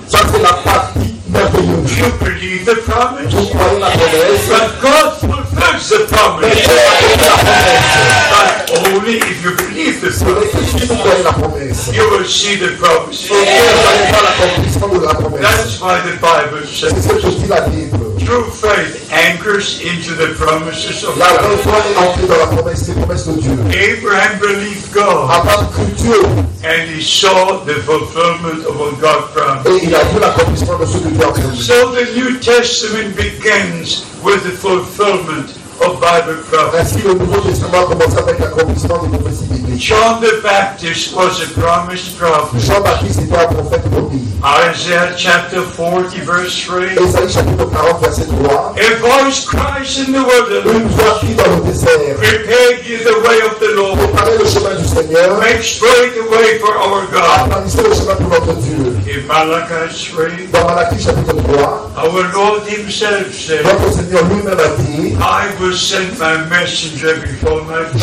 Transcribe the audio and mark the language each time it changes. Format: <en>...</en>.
<fr>Ça, c'est la partie merveilleuse.</fr> <en>You believe the promise.</en> <fr>Vous croyez la promesse.</fr> <en>But God fulfills the promise. But only if you believe the promise.</en> <fr>Si vous croyez la promesse.</fr> <en>You will see the promise.</en> <fr>Vous n'allez pas l'accomplissement de la promesse.</fr> <en>That's why the Bible says.</en> <fr>C'est ce que dit la Bible.</fr> <en>True faith anchors into the promises of God.</en> <fr>La foi est ancrée dans la promesse, les promesses de Dieu.</fr> <en>Abraham believed God.</en> <fr>Abraham crut Dieu.</fr> <en>And he saw the fulfillment of what God promised.</en> <fr>Et il a vu l'accomplissement de ce que Dieu a promis.</fr> <en>So the New Testament begins with the fulfillment of Bible prophecy.</en> <fr>Ainsi le Nouveau Testament commence avec l'accomplissement des prophéties bibliques.</fr> <en>John the Baptist was a promised prophet.</en> <fr>Jean Baptiste était un prophète promis.</fr> <en>Isaiah chapter 40 verse 3.</en> <fr>Ésaïe chapitre 40 verset 3.</fr> <en>A voice cries in the wilderness.</en> <fr>Une voix crie dans le désert.</fr> <en>Prepare ye the way of the Lord.</en> <fr>Préparez le chemin du Seigneur.</fr> <en>Make straight the way for our God.</en> <fr>Aplanissez le chemin pour notre Dieu.</fr> <en>He In Malachi 3,</en> <fr>dans Malachi chapitre 3,</fr> <en>our Lord himself said,</en> <fr>notre Seigneur lui-même a dit,</fr> <en>I will send my messenger before my face.</en>